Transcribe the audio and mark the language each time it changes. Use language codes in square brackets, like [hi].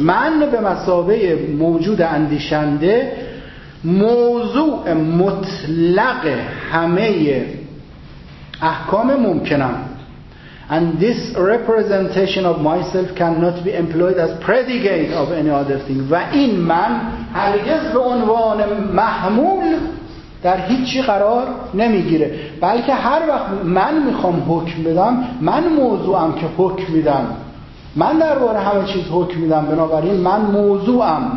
[fa] من به مثابه موجود اندیشنده موضوع مطلق همه احکام ممکنم. [en] And this representation of myself cannot be employed as predicate of any other thing. [fa] و این من هرگز به عنوان محمول در هیچی قرار نمیگیره. بلکه هر وقت من میخوام حکم بدم، من موضوعم که حکم میدم. من درباره همه چیز حکم میدم، بنابراین من موضوعم.